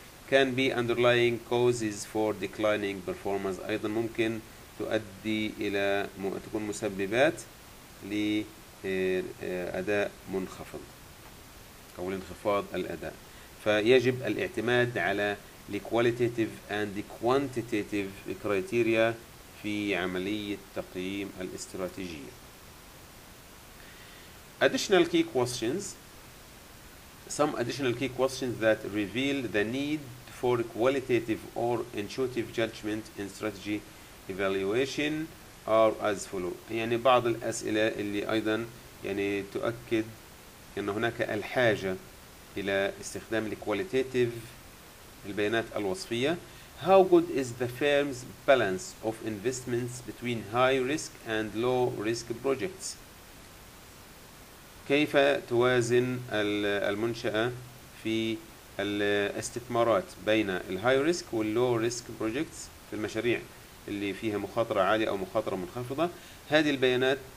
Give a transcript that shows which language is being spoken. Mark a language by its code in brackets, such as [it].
[en] Can be underlying causes for declining performance، [ar] أيضا ممكن تؤدي إلى تكون مسببات لأداء منخفض أو لانخفاض الأداء. فيجب الاعتماد على [en] the qualitative and the quantitative criteria [ar] في عملية تقييم الاستراتيجية. [en] Additional key questions. Some additional key questions that reveal the need for qualitative or intuitive judgment in strategy evaluation are as follow. [ar] يعني بعض الأسئلة اللي أيضا يعني تؤكد أن هناك الحاجة إلى استخدام qualitative البيانات الوصفية. [en] How good is the firm's balance of investments between high risk and low risk projects؟ [ar] كيف توازن المنشأة في الاستثمارات بين الهاي ريسك واللو ريسك بروجكتس، في المشاريع اللي فيها مخاطرة عالية أو مخاطرة منخفضة؟ هذه البيانات